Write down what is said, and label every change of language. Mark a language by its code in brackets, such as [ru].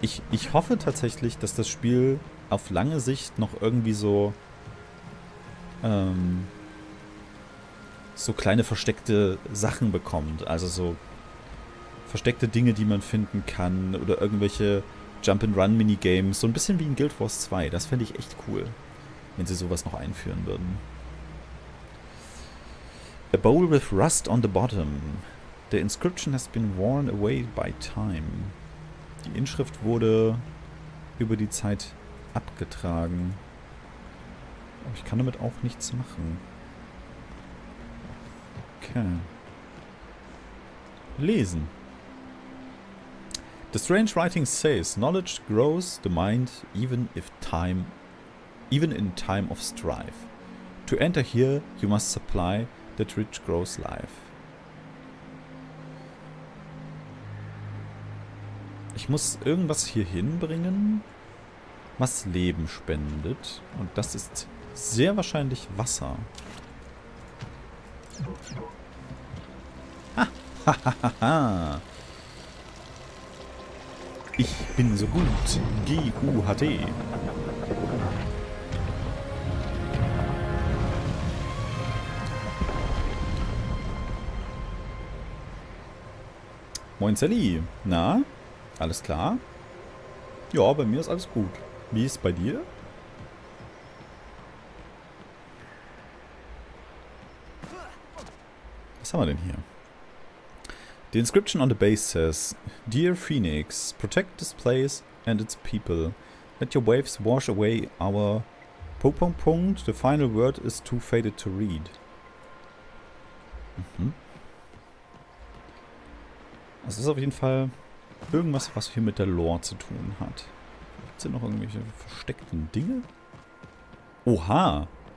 [de] Ich hoffe tatsächlich, dass das Spiel auf lange Sicht noch irgendwie so so kleine versteckte Sachen bekommt. Also so versteckte Dinge, die man finden kann oder irgendwelche Jump-and-Run-Minigames. So ein bisschen wie in Guild Wars 2. Das fände ich echt cool, wenn sie sowas noch einführen würden. [en] A bowl with rust on the bottom. The inscription has been worn away by time. [de] Die Inschrift wurde über die Zeit abgetragen. Aber ich kann damit auch nichts machen. Okay. Lesen. [en] The strange writing says, knowledge grows the mind even in time of strife. To enter here, you must supply that rich grows life. [de] Ich muss irgendwas hier hinbringen, was Leben spendet. Und das ist sehr wahrscheinlich Wasser. Ich bin so gut. G-U-H-T. Moin Sally. Na? Alles klar? Ja, bei mir ist alles gut. Wie ist es bei dir? Was haben wir denn hier? [en] The inscription on the base says, Dear Phoenix, protect this place and its people. Let your waves wash away our... The final word is too faded to read. Mhm. [de] Das ist auf jeden Fall irgendwas, was hier mit der Lore zu tun hat. Gibt es hier noch irgendwelche versteckten Dinge? Oha!